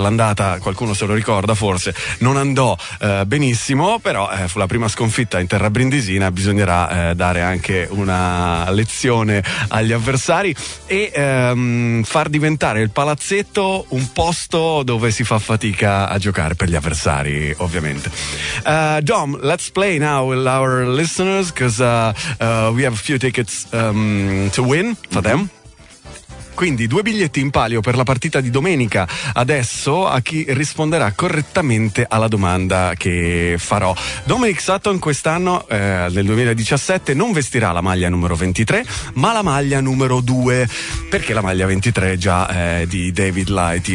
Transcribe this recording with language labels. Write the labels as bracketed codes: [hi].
[it] All'andata, qualcuno se lo ricorda forse, non andò benissimo, però fu la prima sconfitta in terra brindisina. Bisognerà dare anche una lezione agli avversari e far diventare il palazzetto un posto dove si fa fatica a giocare per gli avversari, ovviamente. [en] Dom, let's play now with our listeners, because we have a few tickets to win for them. [it] Quindi due biglietti in palio per la partita di domenica, adesso, a chi risponderà correttamente alla domanda che farò. Dominic Sutton quest'anno, nel 2017, non vestirà la maglia numero 23, ma la maglia numero 2, perché la maglia 23 è già di David Lighty.